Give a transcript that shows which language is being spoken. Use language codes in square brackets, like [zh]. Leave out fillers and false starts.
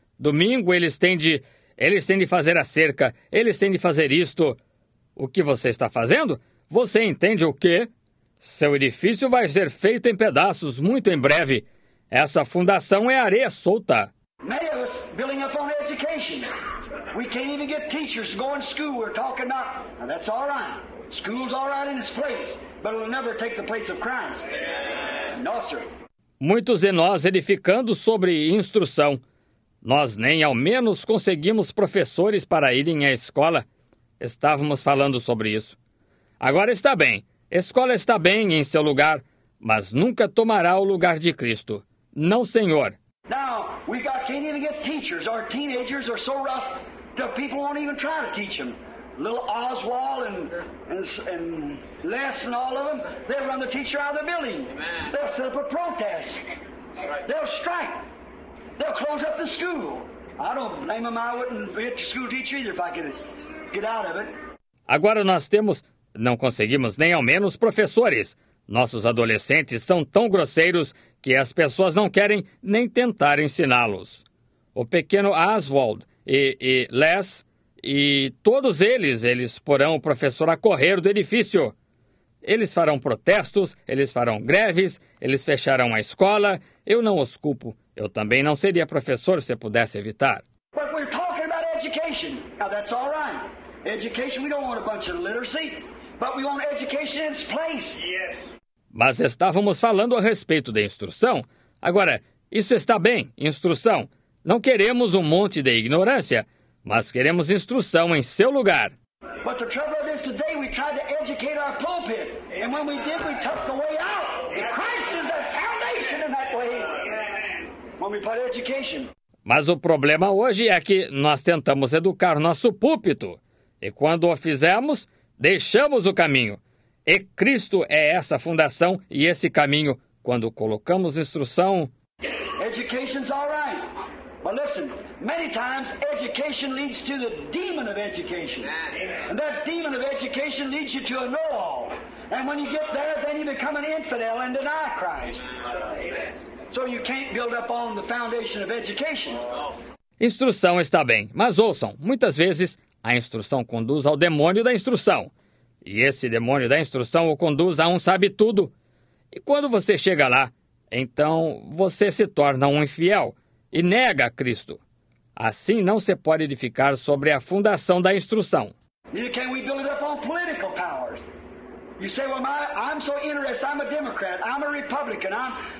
[pt] Domingo eles têm de fazer a cerca, eles têm de fazer isto. O que você está fazendo? Você entende o quê? Seu edifício vai ser feito em pedaços muito em breve. Essa fundação é areia solta. [en] Many of us building up on education. We can't even get teachers to go in school. We're talking about, now that's all right. School's all right in its place, but it'll never take the place of Christ. No, sir. [pt] Muitos de nós edificando sobre instrução. Nós nem ao menos conseguimos professores para irem à escola. Estávamos falando sobre isso. Agora está bem, escola está bem em seu lugar, mas nunca tomará o lugar de Cristo. Não, Senhor. [en] Now, we got, can't even get teachers. Our teenagers are so rough that people won't even try to teach them. Little Oswald and Les and all of them, they'll run the teacher out of the building. Amen. They'll set up a protest. They'll strike. They'll close up the school. I don't blame them. I wouldn't be a school teacher either if I could get out of it. [pt] Agora nós temos... Não conseguimos nem ao menos professores. Nossos adolescentes são tão grosseiros que as pessoas não querem nem tentar ensiná-los. O pequeno Oswald e Les e todos eles porão o professor a correr do edifício. Eles farão protestos, eles farão greves, eles fecharão a escola. Eu não os culpo. Eu também não seria professor se pudesse evitar. Mas estamos falando sobre educação. Agora, isso está tudo bem. Educação, não queremos um monte de literacia. [en] But we want education in its place. Yes. [pt] Mas estávamos falando a respeito da instrução. Agora, isso está bem, instrução. Não queremos um monte de ignorância, mas queremos instrução em seu lugar. [en] But the trouble is today we tried to educate our pulpit. And when we did, we took the way out. Christ is the foundation in that way. When we put education. [pt] Mas o problema hoje é que nós tentamos educar nosso púlpito. E quando o fizemos... Deixamos o caminho. E Cristo é essa fundação e esse caminho. Quando colocamos instrução... [en] Education's all right. But listen, many times education leads to the demon of education. And that demon of education leads you to a know-all. And when you get there, then you become an infidel and deny Christ. So you can't build up on the foundation of education. [pt] Instrução está bem, mas ouçam, muitas vezes a instrução conduz ao demônio da instrução. E esse demônio da instrução o conduz a um sabe-tudo. E quando você chega lá, então você se torna um infiel e nega Cristo. Assim não se pode edificar sobre a fundação da instrução. [en] E can we build up on political powers? You say, well, I'm so interested, I'm a Democrat, I'm a Republican, I'm...